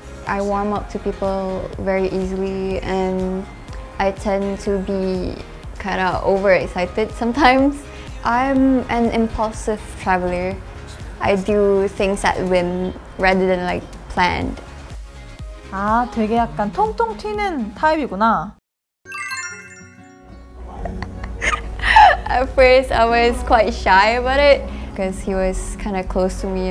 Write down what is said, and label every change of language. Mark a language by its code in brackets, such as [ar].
[en] I warm up to people very easily and I tend to be kind of overexcited sometimes. I'm an impulsive traveler. I do things at whim rather than like planned. [ko] 아, 되게 약간 통통 튀는 타입이구나. [en] At first, I was quite shy about it because he was kind of close to me.